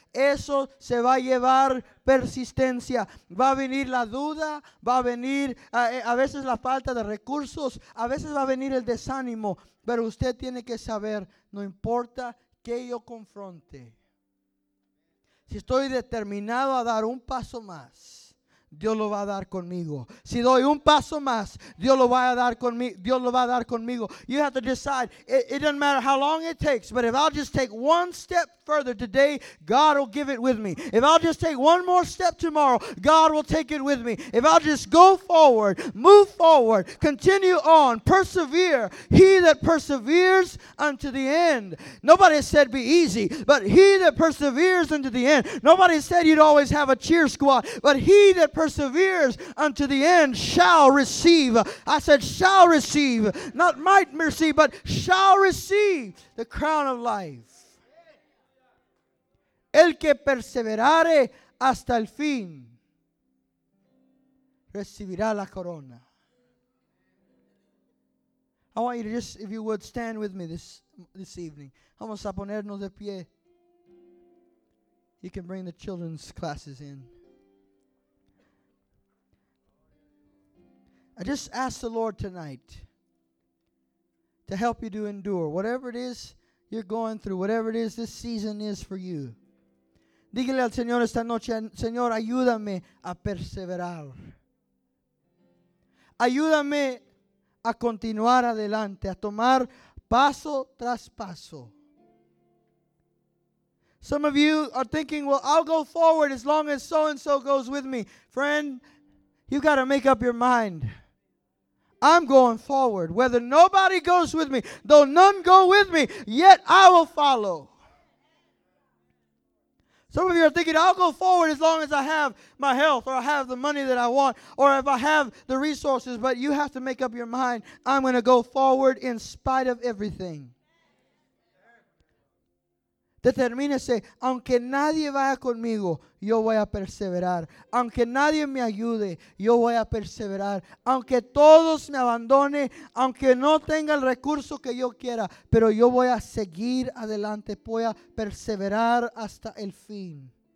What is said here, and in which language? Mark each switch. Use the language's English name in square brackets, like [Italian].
[Spanish] Eso se va a llevar persistencia. Va a venir la duda, va a venir a veces la falta de recursos, a veces va a venir el desánimo, pero usted tiene que saber, no importa qué yo confronte, si estoy determinado a dar un paso más, Dios lo va a dar conmigo. Si doy un paso más, Dios lo va a dar conmigo. Dios lo va a dar conmigo. [English] You have to decide. It doesn't matter how long it takes, but if I'll just take one step further today, God will give it with me. If I'll just take one more step tomorrow, God will take it with me. If I'll just go forward, move forward, continue on, persevere. He that perseveres unto the end. Nobody said be easy, but he that perseveres unto the end. Nobody said you'd always have a cheer squad, but he that perseveres unto the end shall receive. I said shall receive, not might receive, but shall receive the crown of life. [Spanish] El que perseverare hasta el fin recibirá la corona. [English] I want you to just, if you would, stand with me this evening. [Spanish] Vamos a ponernos de pie. [English] You can bring the children's classes in. I just ask the Lord tonight to help you to endure whatever it is you're going through, whatever it is this season is for you. [Spanish] Dígale al Señor esta noche, Señor, ayúdame a perseverar. Ayúdame a continuar adelante, a tomar paso tras paso. [English] Some of you are thinking, well, I'll go forward as long as so-and-so goes with me. Friend, you've got to make up your mind. I'm going forward, whether nobody goes with me, though none go with me, yet I will follow. Some of you are thinking, I'll go forward as long as I have my health, or I have the money that I want, or if I have the resources, but you have to make up your mind, I'm going to go forward in spite of everything. [Spanish] Determínese, aunque nadie vaya conmigo, yo voy a perseverar. Aunque nadie me ayude, yo voy a perseverar. Aunque todos me abandonen, aunque no tenga el recurso que yo quiera, pero yo voy a seguir adelante, voy a perseverar hasta el fin.